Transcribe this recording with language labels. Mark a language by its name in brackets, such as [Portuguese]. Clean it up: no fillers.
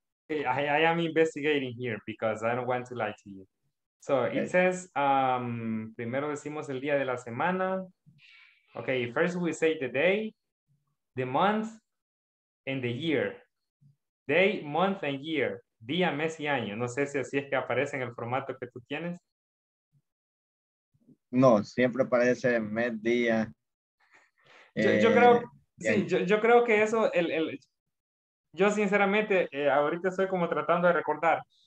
[English] I am investigating here because I don't want to lie to you. So okay. It says, [Spanish] primero decimos el día de la semana. [English] Okay, first we say the day, the month, and the year. Day, month, and year. [Spanish] Día, mes y año. No sé si así es que aparece en el formato que tú tienes. No, siempre aparece mes, día. Yo creo que eso, el yo sinceramente, ahorita estoy como tratando de recordar.